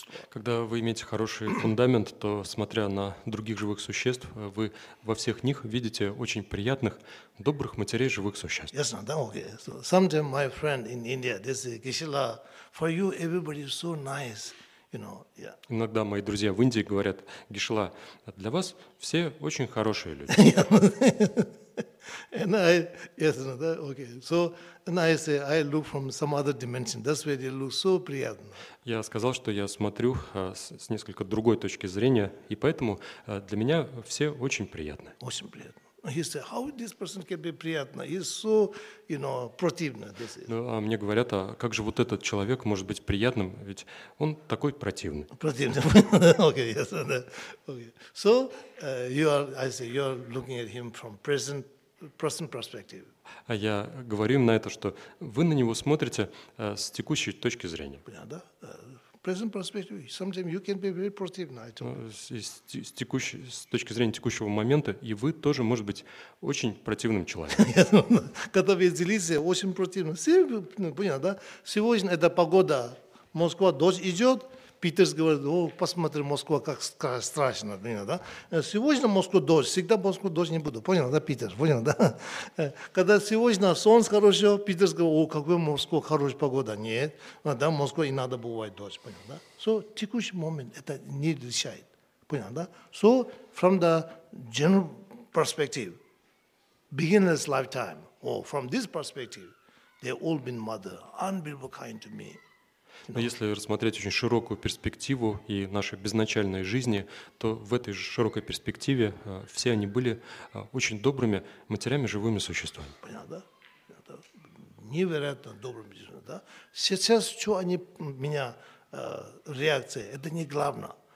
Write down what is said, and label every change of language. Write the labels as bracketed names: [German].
[Russian] Когда вы имеете хороший фундамент, то, смотря на других живых существ, вы во всех них видите очень приятных, добрых матерей живых существ. Ясно, да? Okay. [English] So, sometimes my friend in India, this is Kishila, for you everybody is so nice. You know, yeah. [Russian] Иногда мои друзья в Индии говорят, Гишла, для вас все очень хорошие люди. [English] And I, yes, okay. So, and I say, I look from some other dimension. That's where they look so приятно. [Russian] Я сказал, что я смотрю с несколько другой точки зрения, и поэтому для меня все очень приятны. Очень приятно. [English] He said, "How this person can be приятно? He's so, you know, противно." This is. [Russian] Ну, а мне говорят, а как же вот этот человек может быть приятным? Ведь он такой противный. Противный. [English] Okay, yes, okay. So you are, I say, you are looking at him from present perspective. [Russian] А я говорю им на это, что вы на него смотрите с текущей точки зрения. Понятно, да? [English] Present perspective. Sometimes you can be very positive. I told you. [Russian] С точки зрения текущего момента, и вы тоже может быть очень противным человеком. Когда вы делитесь, очень противно. Все понятно, да? Сегодня это погода. Москва дождь идет. Питерс говорит, о, посмотри, Москва как страшно, да? Сегодня Москва дождь. Всегда Москва дождь не буду. Понял, да, Питерс? Понял, да? Когда сегодня солнце хорошо, Питерс говорит, о, какой Москва хорошая погода. Нет, да, Москва и надо бывает дождь. Понял, да? So, текущий момент это не решает. Понял, да? [English] So, from the general perspective, beginner's lifetime, or from this perspective, They all been mother, unbelievable kind to me. [Russian] Но если рассмотреть очень широкую перспективу и нашей безначальной жизни, то в этой же широкой перспективе все они были очень добрыми матерями, живыми существами. Понятно, да? Это невероятно добрыми людьми, да? Сейчас, что они меня, реакция, это не главное.